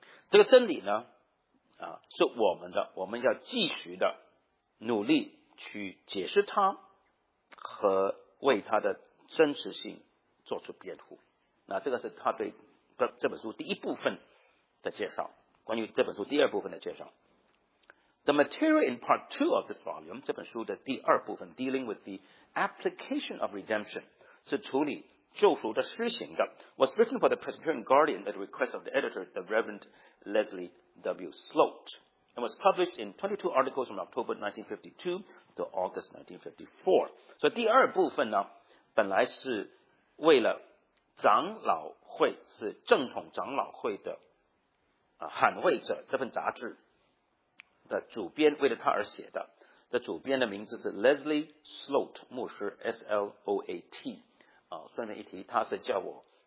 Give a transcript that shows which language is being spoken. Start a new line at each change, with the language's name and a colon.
Chinese: 这个真理呢是我们的，我们要继续的努力去解释它和为它的真实性做出辩护。那这个是他对这本书第一部分的介绍。关于这本书第二部分的介绍。
English: The material in part two of this volume,
Chinese: 这本书的第二部分
English: dealing with the application of redemption,
Chinese: 是处理救赎的施行的
English: was written for the Presbyterian Guardian at the request of the editor, the Reverend Leslie W. Sloat, and was published in 22 articles from October 1952 to August 1954.
Chinese: 所以第二部分呢，本来是为了长老会，是正统长老会的捍卫者这份杂志的主编为了他而写的，这主编的名字是 Leslie Sloat 牧师 S-L-O-A-T 顺便一提，他是叫我